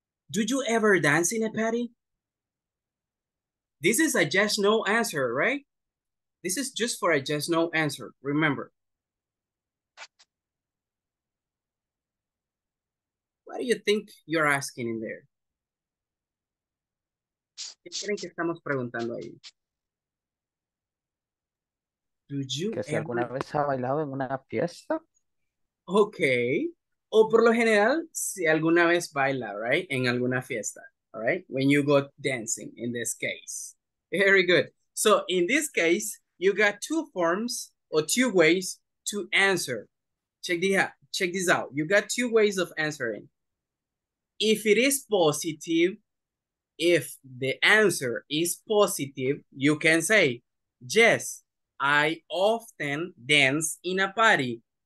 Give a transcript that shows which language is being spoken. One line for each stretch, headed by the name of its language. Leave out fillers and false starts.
English: Do you ever dance in a party? This is a just no answer, right? This is just for a just no answer, remember. What do you think you're asking in there?
Spanish: ¿Qué creen que estamos preguntando ahí?
English: Do you
Spanish: ¿Que si ever... alguna vez ha bailado en una fiesta?
English: Okay.
Spanish: O por lo general, si alguna vez baila, right? En alguna fiesta,
English: all right? When you go dancing in this case. Very good. So in this case, you got two forms or two ways to answer. Check check this out. You got two ways of answering. If it is positive, if the answer is positive, you can say, yes, I often dance in a party.